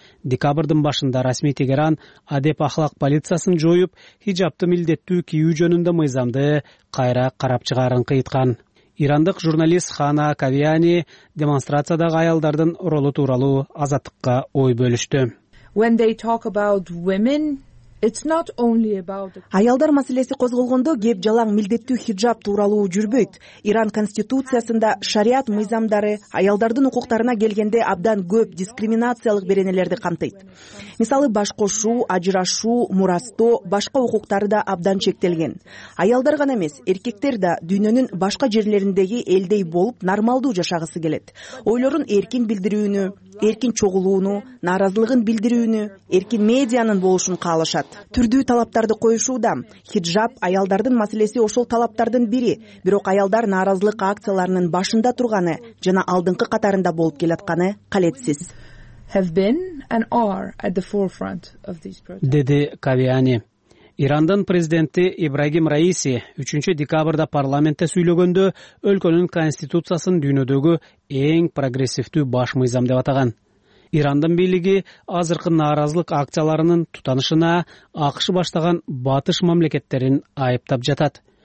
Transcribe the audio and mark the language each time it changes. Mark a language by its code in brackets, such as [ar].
[ky] Декабрдын башында расмий Тегеран адеп ахлак полициясын жоюп, хижапты милдеттүү кийүү жөнүндө мыйзамды кайра карап чыгарын кыйткан. Ирандык журналист Хана Кавиани демонстрациядагы аялдардын ролу тууралуу Азаттыкка ой бөлүштү. [en] When they talk about women, it's not only about the [ky] аялдар маселеси козголгондо кеп жалаң милдеттүү хиджаб тууралуу жүрбөйт. Иран конституциясында шариат мыйзамдары аялдардын укуктарына келгенде абдан көп дискриминациялык беренелерди камтыйт. Мисалы, баш кошуу, ажырашуу, мурастоо, башка укуктары да абдан чектелген. Аялдар гана эмес, эркектер да дүйнөнүн башка жерлериндеги элдей болуп нормалдуу жашагысы келет. Ойлорун эркин билдирүүнү, эркин чогулууну, нааразылыгын билдирүүнү, эркин медианын болушун каалашат. Түрдүү талаптарды коюшууда хиджаб аялдардын маселеси ошол талаптардын бири, бирок аялдар нааразылык акцияларынын башында турганы жана алдыңкы катарында болуп келатканы калетсиз. [en] Have been and are at the forefront of these protests. [ky] Деди Кавиани. Ирандын президенти Ибрагим Раиси 3 декабрда парламентте сүйлөгөндө өлкөнүн конституциясын дүйнөдөгү эң прогрессивдүү баш мыйзам деп атаган. Ирандын бийлиги азыркы нааразылык акцияларынын тутанышына АКШ баштаган батыш мамлекеттерин айыптап жатат.